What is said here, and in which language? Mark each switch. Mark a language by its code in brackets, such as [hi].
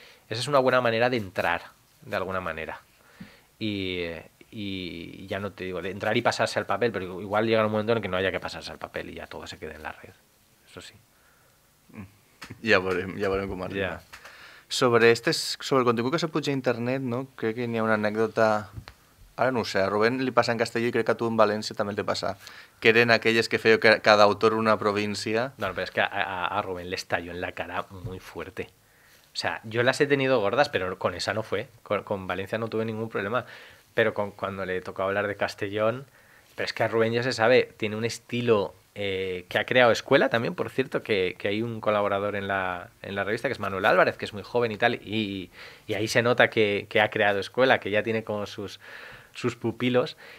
[es] Esa es una buena manera de entrar, de alguna manera. Y ya no te digo, de entrar y pasarse al papel, pero igual llega un momento en que no haya que pasarse al papel y ya todo se quede en la red. Eso sí. Ya veremos cómo arriba. Yeah. Sobre el contenido que se puja a Internet, ¿no? Creo que tenía una anécdota [ca] Ara no ho sé, a Rubén li passa en castellà i crec que a tu en València també li passa. Que eren aquelles que feia cada autor una província. No, però és que [es] a Rubén le estalló en la cara muy fuerte. O sea, yo las he tenido gordas, pero con esa no fue. Con Valencia no tuve ningún problema. Pero cuando le tocó hablar de Castellón... Pero es que a Rubén ya se sabe, tiene un estilo que ha creado escuela también, por cierto, que hay un colaborador en la revista, que es Manuel Álvarez, que es muy joven y tal, y ahí se nota que ha creado escuela, que ya tiene como sus pupilos.